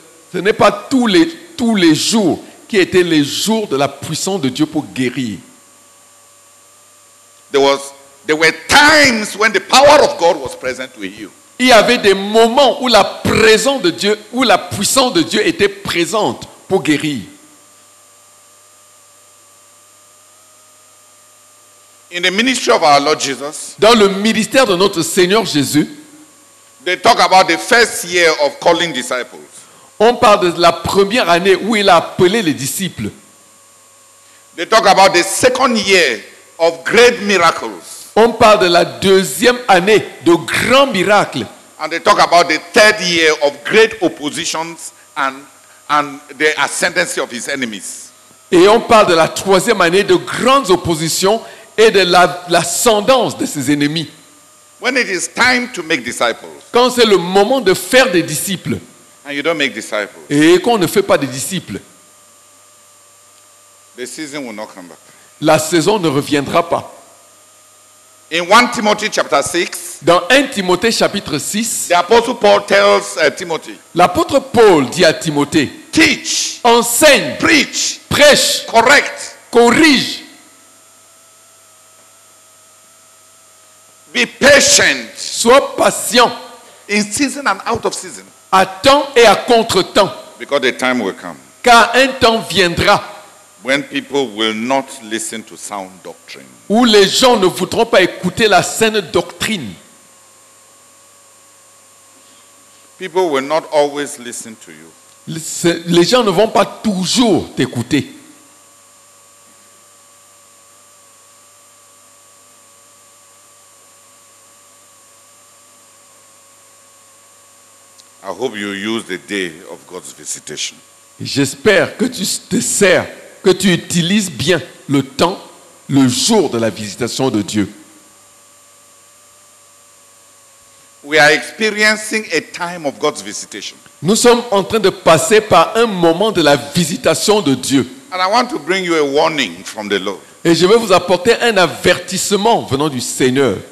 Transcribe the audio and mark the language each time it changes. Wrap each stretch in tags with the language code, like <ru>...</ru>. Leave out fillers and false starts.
<fr>Ce n'est pas tous les jours qui étaient les jours de la puissance de Dieu pour guérir.</fr> <en>There were times when the power of God was present with you.</en> <fr>Il y avait des moments où la présence de Dieu, où la puissance de Dieu était présente pour guérir.</fr> <en>In the ministry of our Lord Jesus,</en> <fr>dans le ministère de notre Seigneur Jésus,</fr> <en>they talk about the first year of calling disciples.</en> <fr>On parle de la première année où il a appelé les disciples.</fr> <en>They talk about the second year of great miracles.</en> <fr>On parle de la deuxième année de grands miracles.</fr> <en>And they talk about the third year of great oppositions and the ascendancy of his enemies.</en> <fr>Et on parle de la troisième année de grandes oppositions et de la, l'ascendance de ses ennemis.</fr> <en>When it is time to make disciples,</en> <fr>quand c'est le moment de faire des disciples,</fr> <en>and you don't make disciples,</en> <fr>et qu'on ne fait pas des disciples,</fr> <en>the season will not come back.</en> <fr>La saison ne reviendra pas.</fr> <en>In 1 Timothy chapter 6,</en> <fr>dans 1 Timothée chapitre 6,</fr> <en>the apostle Paul tells Timothy,</en> <fr>l'apôtre Paul dit à Timothée,</fr> <en>teach,</en> <fr>enseigne,</fr> <en>preach,</en> <fr>prêche,</fr> <en>correct,</en> <fr>corrige.</fr> <en>Be patient.</en> <fr>Sois patient.</fr> <en>In season and out of season.</en> <fr>À temps et à contre-temps.</fr> <en>Because the time will come.</en> <fr>Car un temps viendra.</fr> <en>When people will not listen to sound doctrine.</en> <fr>Où les gens ne voudront pas écouter la saine doctrine.</fr> <en>People will not always listen to you.</en> <fr>Les gens ne vont pas toujours t'écouter.</fr> <en>I hope you use the day of God's visitation.</en> <fr>J'espère que tu te sers, que tu utilises bien le temps, le jour de la visitation de Dieu.</fr> <en>We are experiencing a time of God's visitation.</en> <fr>Nous sommes en train de passer par un moment de la visitation de Dieu.</fr> <en>And I want to bring you a warning from the Lord.</en> <fr>Et je vais vous apporter un avertissement venant du Seigneur.</fr>